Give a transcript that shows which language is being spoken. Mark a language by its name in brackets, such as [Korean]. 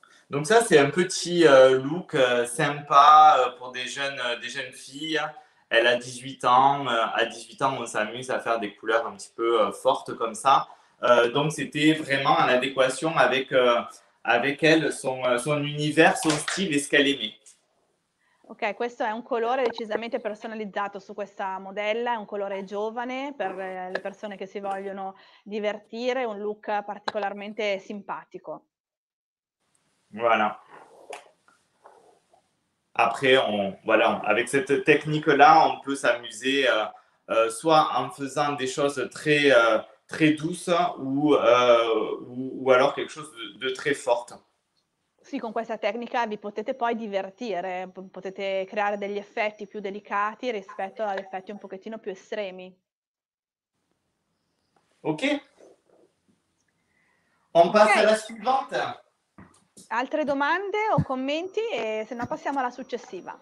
[French] Donc ça c'est un petit look sympa pour des jeunes filles. Elle a 18 ans. À 18 ans, on s'amuse à faire des couleurs un petit peu fortes comme ça. Donc c'était vraiment en adéquation avec avec elle, son univers, son style et ce qu'elle aimait. [Italian] Ok, questo è un colore decisamente personalizzato su questa modella, è un colore giovane per le persone che si vogliono divertire, un look particolarmente simpatico. [French] Voilà. Après, voilà, avec cette technique-là, on peut s'amuser soit en faisant des choses très, très douces ou alors quelque chose de très forte. [Italian] Sì, con questa tecnica vi potete poi divertire, potete creare degli effetti più delicati rispetto ad effetti un pochettino più estremi. Ok. [French] On [Italian] passa alla [French] suivante. [Italian] Altre domande o commenti? E se no passiamo alla successiva.